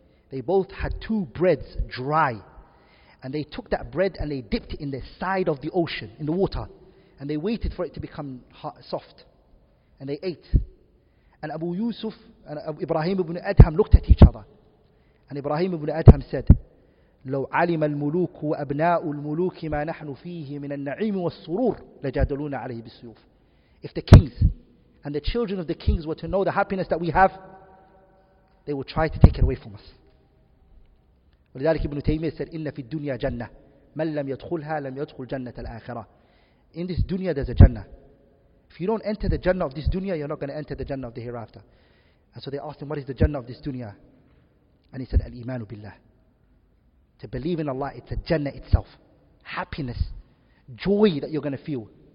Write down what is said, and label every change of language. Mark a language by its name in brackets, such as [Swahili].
[English] They both had two breads dry. And they took that bread and they dipped it in the side of the ocean, in the water. And they waited for it to become soft. And they ate. And Abu Yusuf and Ibrahim ibn Adham looked at each other. And Ibrahim ibn Adham said, [Arabic] لو علم الملوك وأبناء الملوك ما نحن فيه من النعيم والسرور لجادلون عليه بالسيوف. [English] If the kings and the children of the kings were to know the happiness that we have, they would try to take it away from us. [Arabic] ولذلك ابن تيمية [English] said, [Arabic] إن في الدنيا جنة من لم يدخلها لم يدخل جنة الآخرة. [English] In this dunya there's a jannah. If you don't enter the jannah of this dunya, you're not going to enter the jannah of the hereafter. And so they asked him, what is the jannah of this dunya? And he said, Al-Imanu Billah. To believe in Allah, it's a Jannah itself. Happiness, joy that you're going to feel.